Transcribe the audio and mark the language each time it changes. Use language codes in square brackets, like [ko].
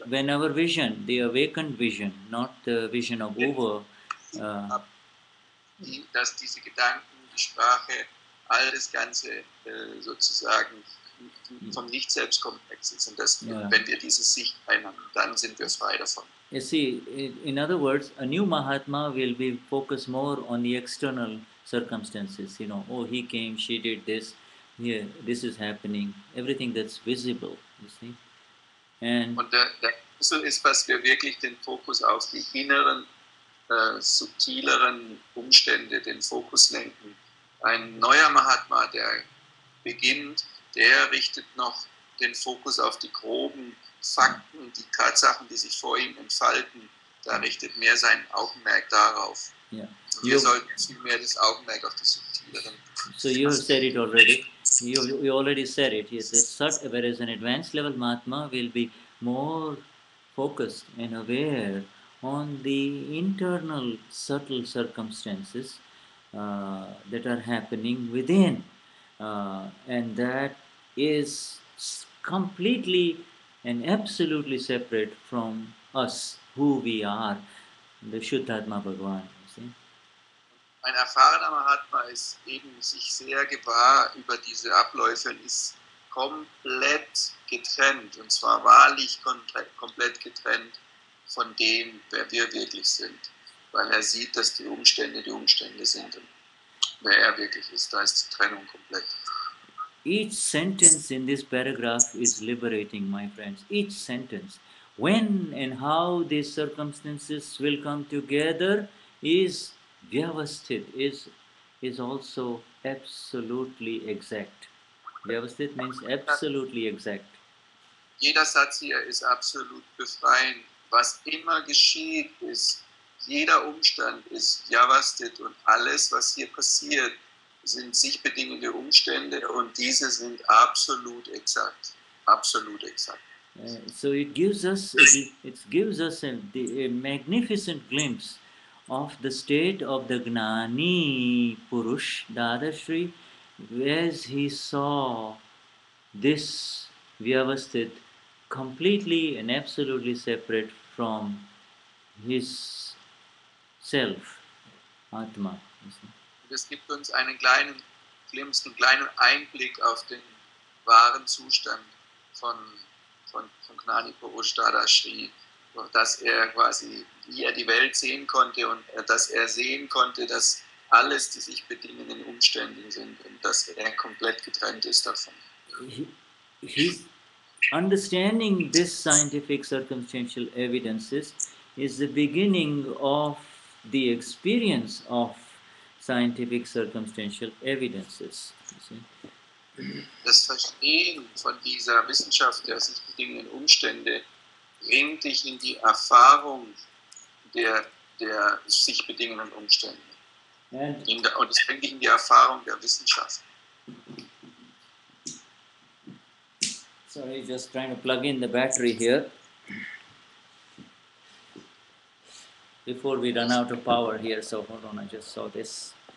[en] When our vision, the awakened vision, not the vision of Uwe, [de] dass diese Gedanken, die Sprache, all das Ganze sozusagen vom Nicht-Selbst-Komplex ist. Und das, wenn wir diese Sicht einnehmen, dann sind wir frei davon. [en] You see, in other words, a new Mahatma will be focused more on the external circumstances. You know, oh, he came, she did this, here, this is happening, everything that's visible, you see. And [de] so ist, was wir wirklich den Fokus auf die inneren, subtileren Umstände, den Fokus lenken. Ein neuer Mahatma, der beginnt, der richtet noch den Fokus auf die groben Fakten, die Tatsachen, die sich vor ihm entfalten, da richtet mehr sein Augenmerk darauf. [en] Yeah. [de] Wir sollten viel mehr das Augenmerk auf die subtileren. [en] So you have said it already. You already said it. Yes, whereas an advanced level Mahatma will be more focused and aware on the internal subtle circumstances that are happening within, and that is completely and absolutely separate from us, who we are, the Shuddhatma Bhagwan, you see. [de] Ein erfahrener Mahatma ist eben sich sehr gewahr über diese Abläufe und ist komplett getrennt, und zwar wahrlich komplett getrennt von dem, wer wir wirklich sind, weil er sieht, dass die Umstände sind, und wer er wirklich ist, da ist die Trennung komplett. [en] Each sentence in this paragraph is liberating, my friends. Each sentence. When and how these circumstances will come together is Vyavasthit, is also absolutely exact. Vyavasthit means absolutely exact. [de] Jeder Satz hier ist absolut befreiend. Was immer geschieht, ist jeder Umstand ist Vyavasthit, und alles, was hier passiert, sind sich bedingende Umstände, und diese sind absolut exakt. Absolut exakt. [en] So it gives us a magnificent glimpse of the state of the Gnani Purush Dadashri, as he saw this Vyavasthit completely and absolutely separate from his self, Atma. [de] Das gibt uns einen kleinen Glimpse, einen kleinen Einblick auf den wahren Zustand von Gnani Purush Dadashri, dass er quasi, wie er die Welt sehen konnte, und dass er sehen konnte, dass alles die sich bedingenden Umstände sind und dass er komplett getrennt ist davon. [en] His understanding this scientific circumstantial evidences is the beginning of the experience of scientific circumstantial evidences. [de] Das Verstehen von dieser Wissenschaft der sich bedingenden Umstände bringt dich in die Erfahrung der sich bedingenden Umstände. Und es bringt dich in die Erfahrung der Wissenschaft. [en] Sorry, just trying to plug in the battery here. Before we run out of power here, so hold on, I just saw this.